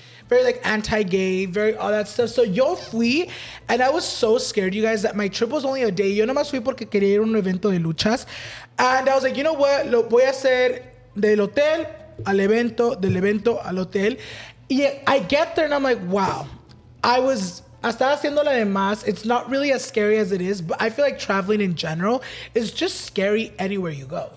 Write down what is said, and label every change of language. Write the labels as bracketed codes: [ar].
[en] very like anti-gay, very all that stuff. So [es] yo fui, [en] and I was so scared, you guys, that my trip was only a day. [es] Yo nomás fui porque quería ir a un evento de luchas. [en] And I was like, you know what? [es] Lo voy a hacer del hotel al evento, del evento al hotel. Y [en] I get there and I'm like, wow. I was [es] Hasta haciendo la demás, [en] it's not really as scary as it is, but I feel like traveling in general is just scary anywhere you go.